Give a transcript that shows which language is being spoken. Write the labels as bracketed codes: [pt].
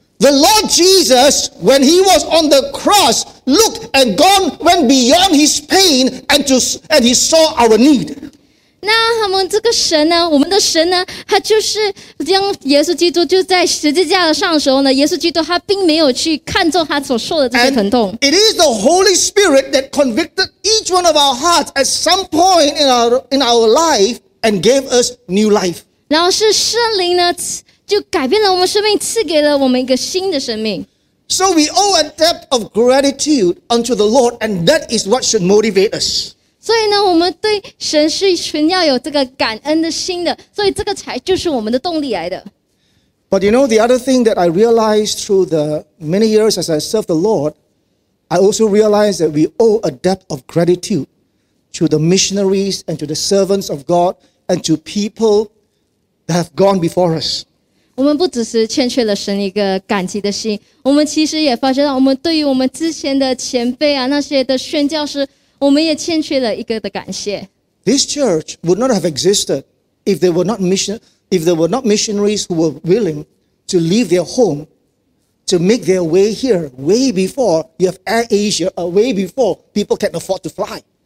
[en] The Lord Jesus, when he was on the cross, looked and gone, went beyond his pain and he saw our need. [zh] 那我们这个神呢，我们的神呢，他就是将耶稣基督就在十字架上的时候呢，耶稣基督他并没有去看重他所受的这些疼痛。 [en] And it is the Holy Spirit that convicted each one of our hearts at some point in our life and gave us new life. [zh] 然后是圣灵呢，就改变了我们生命，赐给了我们一个新的生命。 [en] So we owe a debt of gratitude unto the Lord, and that is what should motivate us. [zh] 所以呢，我们对神是存要有这个感恩的心的，所以这个才就是我们的动力来的。 [en] But you know, the other thing that I realized through the many years as I served the Lord, I also realized that we owe a debt of gratitude to the missionaries and to the servants of God and to people that have gone before us. [zh] 我们不只是欠缺了神一个感激的心，我们其实也发觉到我们对于我们之前的前辈啊，那些的宣教士，我们也欠缺了一个的感谢。 [en] This church would not have existed if there were not missionaries who were willing to leave their home to make their way here way before you have Air Asia, way before people can afford to fly.